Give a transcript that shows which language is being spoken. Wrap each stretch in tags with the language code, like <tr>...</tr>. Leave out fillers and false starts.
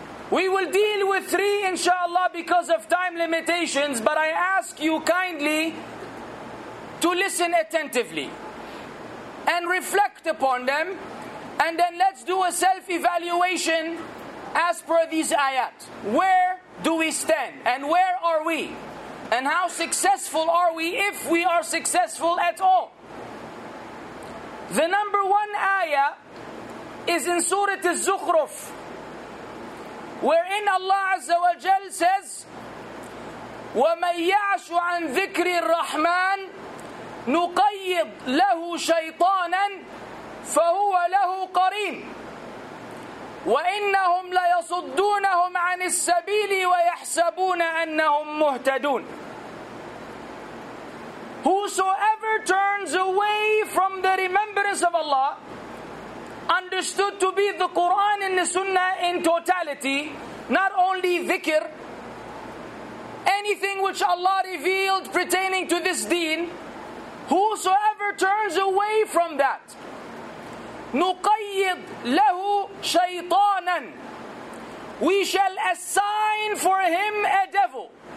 <en>We will deal with three inshallah because of time limitations, but I ask you kindly to listen attentively and reflect upon them, and then let's do a self-evaluation as per these ayat. Where do we stand, and where are we, and how successful are we, if we are successful at all? The number one ayah is in Surah Az-Zukhruf, wherein Allah Azza wa Jal says,</en> <ar>وَمَنْ يَعْشُ عَنْ ذِكْرِ الرَّحْمَانِ نُقَيِّضْ لَهُ شَيْطَانًا فَهُوَ لَهُ قَرِينٌ وَإِنَّهُمْ لَيَصُدُّونَهُمْ عَنِ السَّبِيلِ وَيَحْسَبُونَ أَنَّهُمْ مُهْتَدُونَ.</ar> <en>Whosoever turns away from the remembrance of Allah, understood to be the Quran and the Sunnah in totality, not only dhikr, anything which Allah revealed pertaining to this deen, whosoever turns away from that,</en> <ar>نُقَيِّضْ لَهُ شَيْطَانًا,</ar> <en>we shall assign for him a devil.</en>